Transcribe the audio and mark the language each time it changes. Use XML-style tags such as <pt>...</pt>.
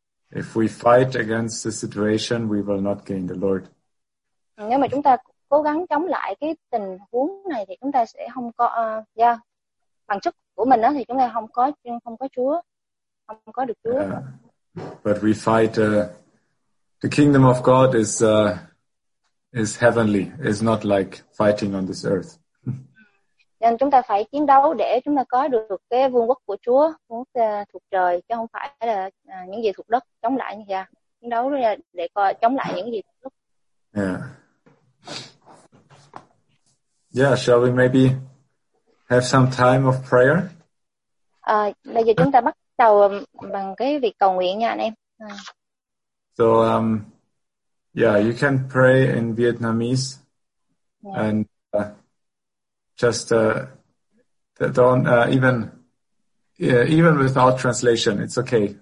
<en>If we fight against the situation, we will not gain the Lord.</en> <vi>Nếu mà chúng ta cố gắng chống lại cái tình huống này thì chúng ta sẽ không có bằng sức của mình đó, thì chúng ta không có Chúa, không có được Chúa.</vi> <en>But we fight the kingdom of God is heavenly, is not like fighting on this earth.</en> <vi>Nên chúng ta phải chiến đấu để chúng ta có được cái vương quốc của Chúa, vương quốc thuộc trời, chứ không phải là những gì thuộc đất. Chống lại như vậy, chiến đấu để coi chống lại những gì thuộc</vi> <en>Yeah, shall we maybe have some time of prayer?</en> <vi>Bây giờ chúng ta bắt đầu bằng cái việc cầu nguyện nha anh em.</vi> <en>Yeah, you can pray in Vietnamese and just don't even without translation, it's okay.</en>